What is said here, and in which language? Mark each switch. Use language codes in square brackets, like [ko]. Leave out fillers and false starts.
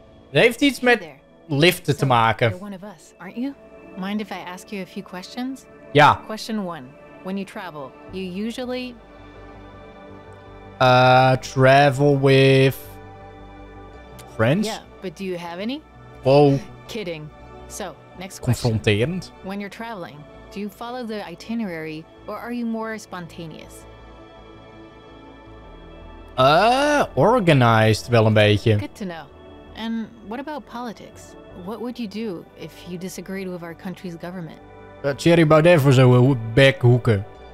[nl] Het heeft iets met liften te maken. [en] You're one of us, aren't you? Mind if I ask you a few questions? [nl] Ja. [en] Question 1. When you travel, you usually travel with friends? Yeah, but do you have any? Whoa. Kidding. So, next [nl] confronterend. [en] Question. When you're traveling, do you follow the itinerary or are you more spontaneous? Organized [nl] wel een beetje. [en] Good to know. And what about politics? What would you do if you disagreed with our country's government? [nl] Thierry Baudet voor zo'n bekhoeken.